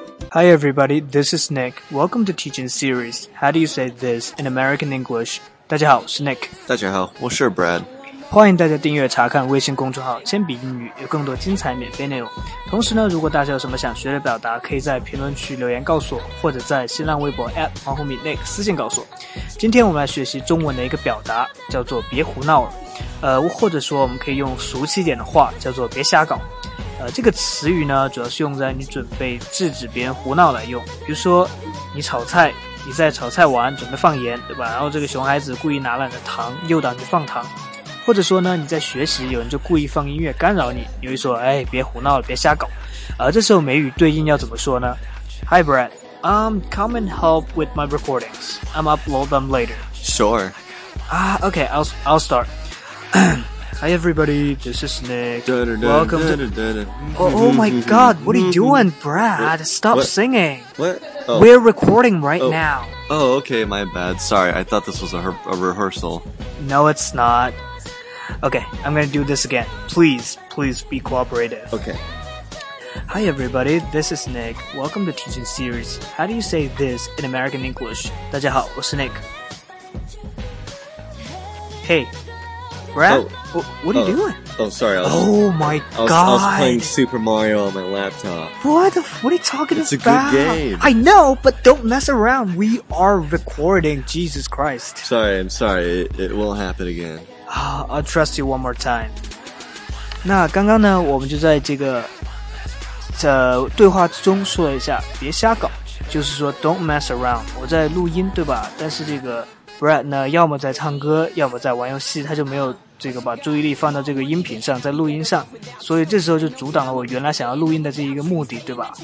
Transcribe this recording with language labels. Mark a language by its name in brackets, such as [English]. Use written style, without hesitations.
[English] Hi everybody, this is Nick. Welcome to Teaching Series. How do you say this in American English? [Chinese] 大家好，我是 Nick。大家好，我是 Brad。欢迎大家订阅查看微信公众号铅笔英语，有更多精彩免费内容。同时呢，如果大家有什么想学的表达，可以在评论区留言告诉我，或者在新浪微博 @ 黄宏敏 Nick 私信告诉我。今天我们来学习中文的一个表达，叫做别胡闹了。或者说我们可以用俗气一点的话，叫做别瞎搞。这个词语呢，主要是用在你准备制止别人胡闹来用。比如说你炒菜，你在炒菜玩，准备放盐，对吧？然后这个熊孩子故意拿了你的糖，诱导你放糖。或者说呢，你在学习，有人就故意放音乐干扰你，你会说，哎，别胡闹了，别瞎搞。这时候美语对应要怎么说呢？ [English] Hi Brad, come and help with my recordings. I'm upload them later. Sure. Okay, I'll start. Hi everybody, this is Nick. Welcome to... Oh my god, what are you doing, Brad? Stop singing. What? We're recording right now. Oh, okay, my bad. Sorry, I thought this was a rehearsal. No, it's not. Okay, I'm gonna do this again. Please be cooperative. Okay. Hi everybody, this is Nick. Welcome to Teaching Series. How do you say this in American English? [Chinese] 大家好，我是 Nick. [English] Hey. Brad, what are you doing? Oh, sorry. Oh my god. I was playing Super Mario on my laptop. What are you talking about? a good game. I know, but don't mess around. We are recording, Jesus Christ. Sorry, I'm sorry. It won't happen again. I'll trust you one more time. [Chinese] 那刚刚呢，我们就在这个对话之中说了一下，别瞎搞，就是说 [English] don't mess around. [Chinese] 我在录音，对吧？但是这个Brad 呢，要么在唱歌，要么在玩游戏，他就没有这个把注意力放到这个音频上，在录音上，所以这时候就阻挡了我原来想要录音的这一个目的，对吧？